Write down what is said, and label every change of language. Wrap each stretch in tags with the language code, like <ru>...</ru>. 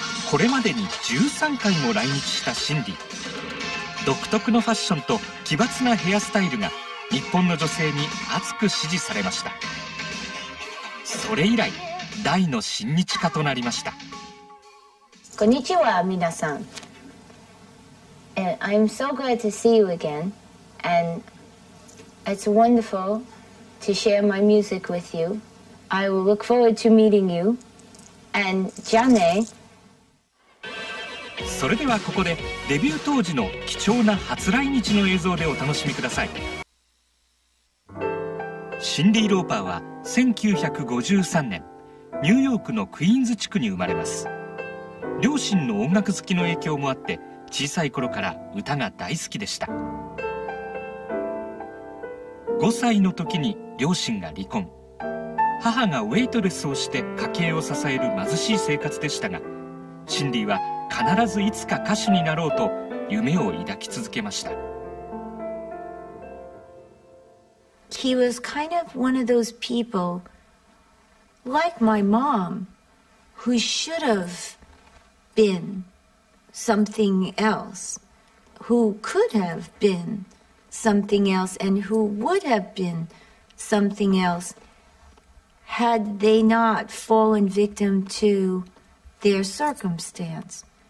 <ja>これまでに13回も来日したシンディ、独特のファッションと奇抜なヘアスタイルが日本の女性に熱く支持されました。それ以来大の親日家となりました。こんにちは皆さん、</ja> <en>I'm so glad to see you again and it's wonderful to share my music with you. I will look forward to meeting you and</en> <ja>じゃね。それではここでデビュー当時の貴重な初来日の映像でお楽しみください。シンディ・ローパーは1953年、ニューヨークのクイーンズ地区に生まれます。両親の音楽好きの影響もあって小さい頃から歌が大好きでした。 5歳の時に両親が離婚、母がウェイトレスをして家計を支える貧しい生活でしたが、シンディは必ずいつか歌手になろうと夢を抱き続けました。</ja> <en>He was kind of one of those people like my mom who should have been something else, who could have been something else and who would have been something else had they not fallen victim to their circumstance.</en>